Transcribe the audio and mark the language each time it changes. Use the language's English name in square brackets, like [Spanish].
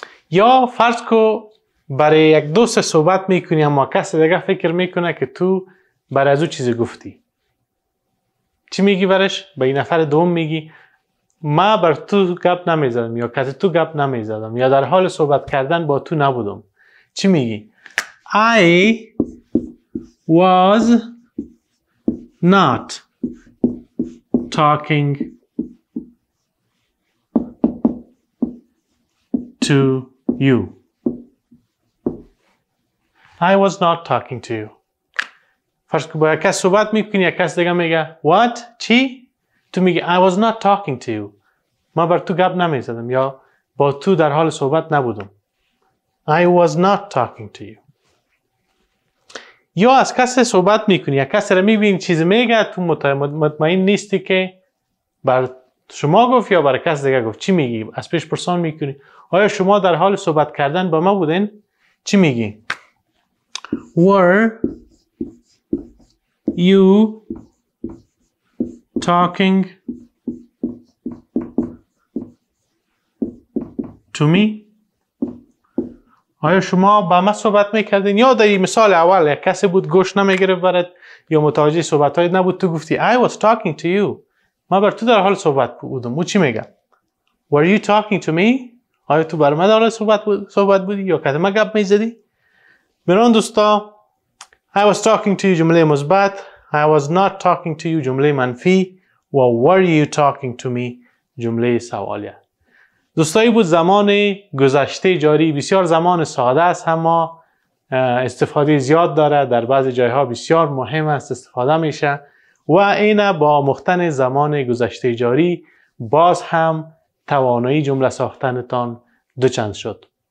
[Persian] یا فرض کو برای یک دوست صحبت میکنی اما کسی دیگه فکر میکنه که تو برای از او چیزی گفتی. چی میگی برش؟ به این نفر دوم میگی ما بر تو گپ نمیزدم یا کسی تو گپ نمیزدم یا در حال صحبت کردن با تو نبودم. چی میگی؟ [English] I was not talking to you. I was not talking to you. [Persian] فرض کن با کس صحبت میکنی یک کس دیگه میگه What? چی؟ تو میگی [English] I was not talking to you. [Persian] ما بر تو گپ نمیزدم یا با تو در حال صحبت نبودم. [English] I was not talking to you. [Persian] یا از کس صحبت میکنی یک کس را میبینی چیز میگه تو مطمئن نیستی که بر شما گفت یا بر کس دیگه گفت. چی میگی؟ از پیش پرسان میکنی آیا شما در حال صحبت کردن با ما بودین؟ چی میگی؟ [English] Were you talking to me? [Persian] آیا شما با من صحبت میکردین؟ یا در مثال اول یک کسی بود گوش نمیگرفت برد یا متوجه صحبت هایی نبود تو گفتی [English] I was talking to you. [Persian] ما بر تو در حال صحبت بودم. او چی میگه؟ [English] Were you talking to me? [Persian] آیا تو بر من در حال صحبت بودی یا کسی من گپ میزدی؟ میران دوستا [English] I was talking to you [Persian] جمله مثبت. [English] I was not talking to you [Persian] جمله منفی و [English] were you talking to me [Persian] جمله سوالیه. دوستایی بود زمان گذشته جاری بسیار زمان ساده است اما استفاده زیاد داره، در بعضی جایها بسیار مهم است استفاده میشه و این با مختن زمان گذشته جاری باز هم توانایی جمله ساختنتان دوچند شد.